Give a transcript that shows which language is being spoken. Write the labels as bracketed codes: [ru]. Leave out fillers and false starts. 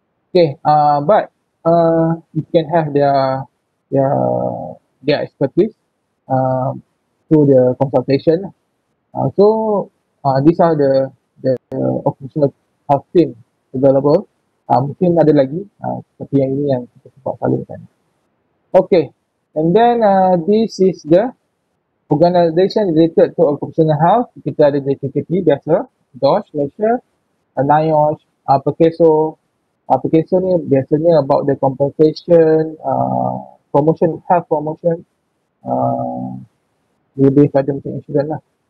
[en] Okay, but you can have their expertise through the consultation. So these are the official health team available. [ms] Mungkin ada lagi seperti yang ini yang kita sempat salurkan. [en] Okay, and then this is the organisation related to occupational health. [ms] Kita ada JKKP biasa, DOJ, Malaysia, NIOSH, PERKESO. PERKESO ni biasanya [en] about the compensation, promotion, health promotion, [ms] lebih pada macam insurans lah.